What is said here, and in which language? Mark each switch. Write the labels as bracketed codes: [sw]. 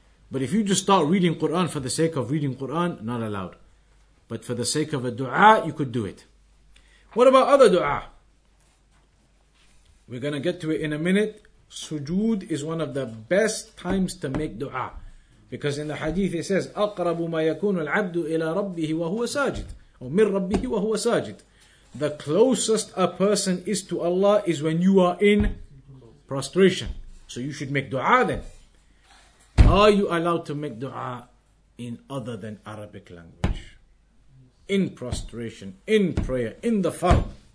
[en] But if you just start reading Qur'an for the sake of reading Qur'an, not allowed. But for the sake of a du'a, you could do it. What about other du'a? We're going to get to it in a minute. Sujood is one of the best times to make du'a. Because in the hadith it says, [ar] أَقْرَبُ مَا يَكُونُ الْعَبْدُ إِلَىٰ رَبِّهِ وَهُوَ سَاجِدٌ مِنْ رَبِّهِ وَهُوَ سَاجِدٌ. [en] The closest a person is to Allah is when you are in prostration. So you should make du'a then. Are you allowed to make du'a in other than Arabic language? In prostration, in prayer, in the fard?